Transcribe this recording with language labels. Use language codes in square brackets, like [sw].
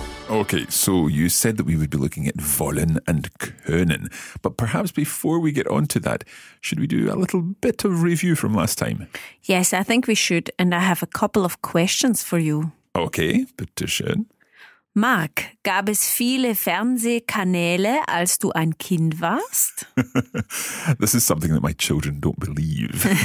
[en] Okay, so you said that we would be looking at wollen and können. But perhaps before we get on to that, should we do a little bit of review from last time? Yes, I think we should. And I have a couple of questions for you. [de] Okay, bitte schön. Marc, gab es viele Fernsehkanäle, als du ein Kind warst? [en] This is something that my children don't believe.